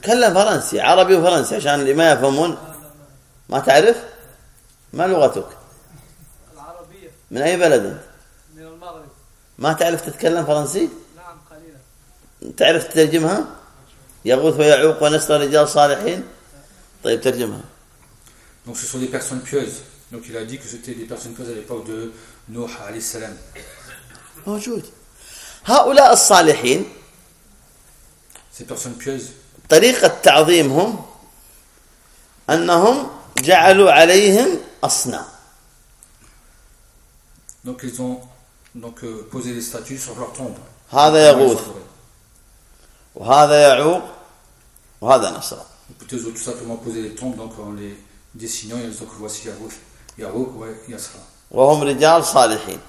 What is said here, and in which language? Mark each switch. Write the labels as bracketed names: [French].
[Arabic] تكلم فرنسي عربي وفرنسي عشان اللي ما يفهمون ما تعرف ما لغتك العربيه من اي بلد من المغرب ما تعرف تتكلم فرنسي نعم قليلا تعرف تترجمها يغوث ويعوق ونسر رجال صالحين [French] Donc ce sont des personnes pieuses. Donc il a dit que c'était des personnes pieuses à l'époque de Nuh alayhi salam. [Arabic] موجود. هؤلاء الصالحين. [French] Ces personnes pieuses. [Arabic] طريقة تعظيمهم أنهم جعلوا عليهم أصنام. [French] Donc ils ont donc posé des statues sur leur tombe. [Arabic] هذا يغوث. وهذا يعوق. وهذا نصر. [French] Ils ont tout simplement posé les tombes donc en les dessinant et donc voici Yaghouth, Ya'ouq et Nasra. [Arabic] وهم رجال صالحين.